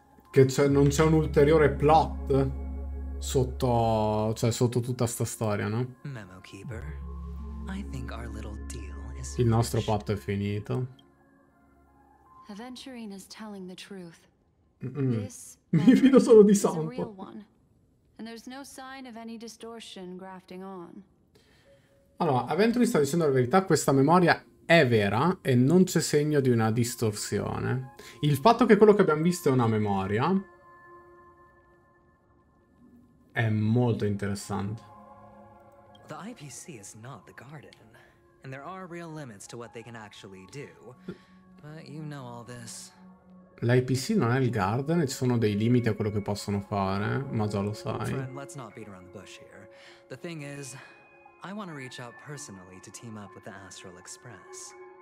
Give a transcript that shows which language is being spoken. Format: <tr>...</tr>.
<it>che c'è, non c'è un ulteriore plot sotto, cioè sotto tutta sta storia, no?</it> <en>Memo keeper, I think our little deal is...</en> <it>il nostro patto è finito.</it> <en>Aventurine is telling the truth.</en> <it>Mi fido solo di Sampo.</it> <en>And there's no sign of any distortion grafting on.</en> <it>Allora, Aventurine sta dicendo la verità, questa memoria è vera e non c'è segno di una distorsione. Il fatto che quello che abbiamo visto è una memoria è molto interessante.</it> <en>The IPC is not the garden, and there are real limits to what they can actually do. But you know all this.</en> <it>L'IPC non è il garden, ci sono dei limiti a quello che possono fare, ma già lo sai.</it> <en>Friend, let's not beat around the bush here. The thing is, I want to reach out personally to team up with the Astral Express.</en>